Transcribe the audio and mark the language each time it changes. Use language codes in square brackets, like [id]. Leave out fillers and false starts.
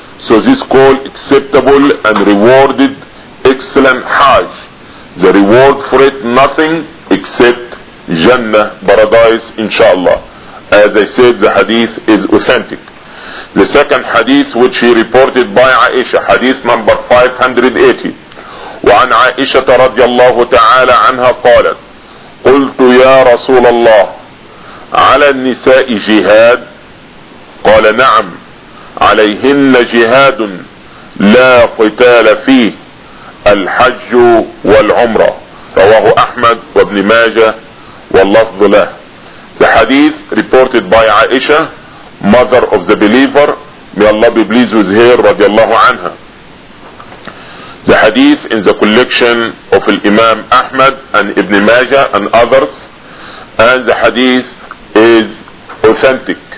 [en] So this called acceptable and rewarded excellent Hajj. The reward for it, nothing except Jannah, paradise, inshallah. As I said, the hadith is authentic. The second hadith which he reported by Aisha, hadith number 580. [ar] وعن عائشة رضي الله تعالى عنها قالت قلت يا رسول الله على النساء جهاد؟ قال نعم عليهن جهاد لا قتال فيه الحج والعمرة. رواه أحمد وابن ماجة واللفظ له. [en] The hadith reported by Aisha, mother of the believer, may Allah be pleased with her, [ar] رضي الله عنها. [en] The hadith in the collection of Imam Ahmad and Ibn Majah and others, and the hadith is authentic.